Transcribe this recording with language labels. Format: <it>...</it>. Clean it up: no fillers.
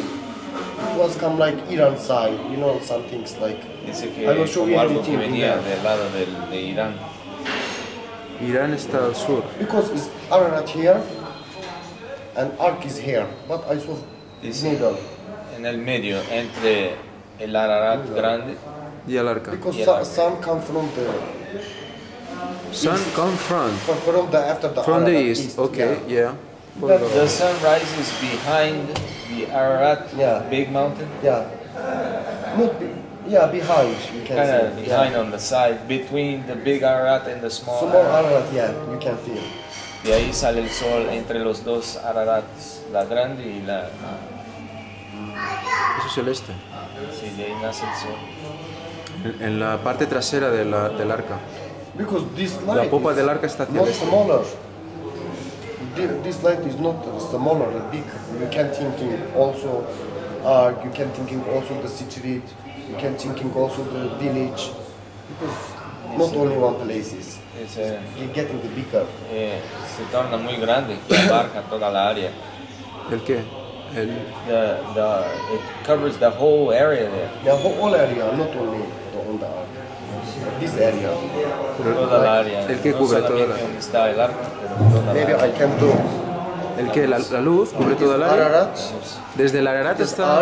<en>It was come like Iran side, you know, some things like.</en> <es>Dice que algo que venía del lado de Irán. Irán está al sur.</es> <en>Because it's Ararat here and Ark is here, but I saw middle.</en> <es>En el medio entre el Ararat grande y el Arca.</es> <en>Because some come from the sun come front. From the after the from the east. Okay, yeah. But the sun rises behind the Ararat, big mountain. Yeah. Not behind. You can kinda see. Behind on the side, between the big Ararat and the small. Small Ararat, you can feel.</en> <es>De ahí sale el sol entre los dos Ararats, la grande y la. Eso es el este. Sí, de ahí nace el sol. En la parte trasera de del arca.</es> <en>Because this light.</en> <es>La popa del arca está hacia el este.</es> <en>This light is not smaller, big. You can thinking also Ark, you can thinking also the street, you can thinking also the village, because it's not only one place. It's getting the bigger.</en> <es>Se torna muy grande, abarca toda la área. El qué? El.</es> <en>The it covers the whole area there. The whole area, not only the on the Ark. This area.</en> <es>Pero, toda la área. El que cubre toda la área.</es> <en>Maybe I can do.</en> <es>El que la luz cubre toda la Ararat. Desde la Ararat está.</es>